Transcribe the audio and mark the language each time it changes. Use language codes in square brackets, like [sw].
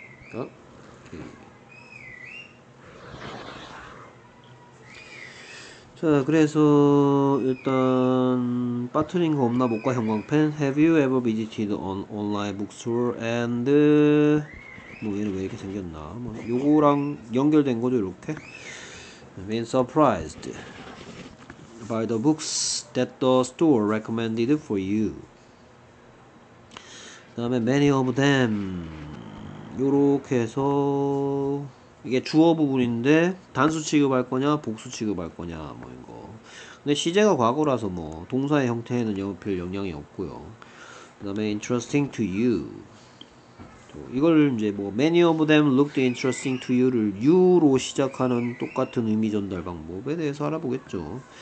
[ko] 그러니까 자, 그래서 일단 빠트린 거 없나 볼까? [en] 형광펜. Have you ever visited an online bookstore? [ko] And 뭐 얘는 왜 이렇게 생겼나? 뭐 요거랑 연결된 거죠, 이렇게. [en] Been surprised by the books that the store recommended for you. [ko] 그다음에 [en] many of them. [ko] 요렇게 해서 이게 주어 부분인데 단수 취급할 거냐 복수 취급할 거냐 뭐 이거. 근데 시제가 과거라서 뭐 동사의 형태에는 별 영향이 없고요. 그다음에 [en] interesting to you. [ko] 또 이걸 이제 뭐 [en] many of them looked interesting to you [ko] 를 you로 시작하는 똑같은 의미 전달 방법에 대해서 알아보겠죠.